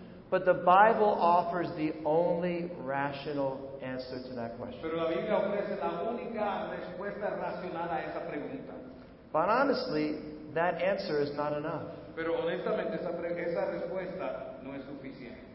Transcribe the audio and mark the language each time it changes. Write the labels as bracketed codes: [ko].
[en] But the Bible offers the only rational answer to that question. [es] Pero la Biblia ofrece la única respuesta racional a esa pregunta. [en] But honestly, that answer is not enough. [es] Pero honestamente, esa respuesta no es suficiente.